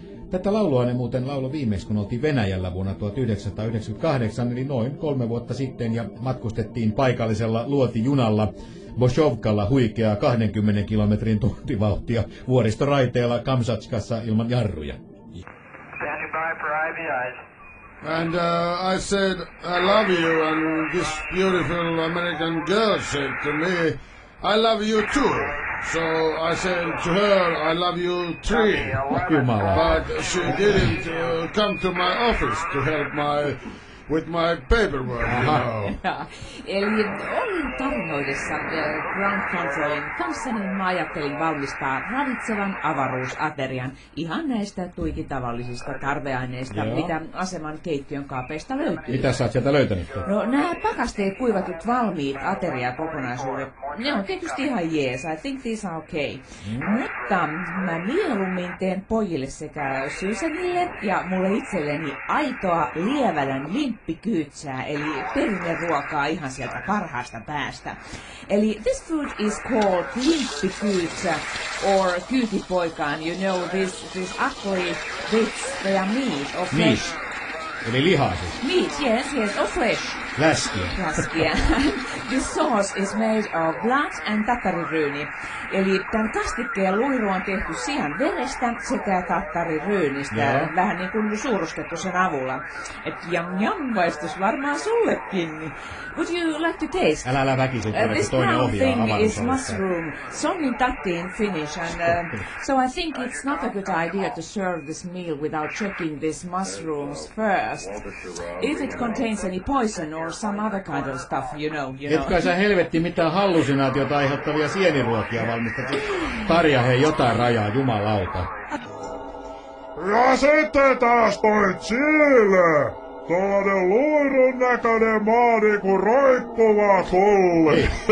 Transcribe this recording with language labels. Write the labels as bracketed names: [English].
[Finnish] Tätä laulua ne muuten laulo viimeksi, kun oltiin Venäjällä vuonna 1998, eli noin 3 vuotta sitten, ja matkustettiin paikallisella luotijunalla Boshovkalla huikeaa 20 kilometrin tuntivauhtia vuoristoraiteella Kamchatkassa ilman jarruja. [English] Standing by for IVIs. And I said I love you, and this beautiful American girl said to me, I love you too. So I said to her, I love you three. But she didn't come to my office to help my with my paperwork, you know. [Finnish] Eli olin tarinoidessa Ground Controlin kanssa, niin mä ajattelin valmistaa ravitsevan avaruusaterian ihan näistä tuiki tavallisista tarveaineista, mitä aseman keittiön kaapeista löytyy. Mitä sä oot sieltä löytänyt? No nämä pakasteet kuivatut valmiit ateriakokonaisuudet, ne on tietysti ihan jees, [English] I think these are okay. [Finnish] Mutta mä mieluummin teen pojille sekä Susanille ja mulle itselleni aitoa lievälän limppikyytsää, eli perinneruokaa ihan sieltä parhaasta päästä. Eli [English] this food is called limppikyytsä, or [Finnish] kyytipoikaan, [English] you know, this ugly bits, they are meat, or flesh. Meat, [Finnish] eli lihaa siis. [English] Meat, yes, or flesh. [Finnish] Läskiä. [English] This sauce is made of blood and tattariryyni. [Finnish] Eli tämän kastikkeen luiru on tehty sian verestä sekä tattariryynistä. [English] Yeah. [Finnish] Vähän niin kuin suurustettu sen avulla. Et yum yum, vaistus varmaan sullekin. [English] Would you like to taste? [Finnish] Älä väkisin, että [English] this [Finnish] toinen ohjaa avaruusalusta. [English] This brown thing is mushroom. [Finnish] Sonnin tatti [English] in Finnish. And, so I think it's not a good idea to serve this meal without checking these mushrooms first. If it contains any poison, or some other kind of stuff, you know. [Finnish] Etkä sä helvetti mitään hallusinaatiota aiheuttavia sieniruokia valmistat. Tarja hei jotain rajaa, jumalauta. Ja sitten taas toi Chile! Tuollainen luirun näköinen maa niinku roikkuva tulli.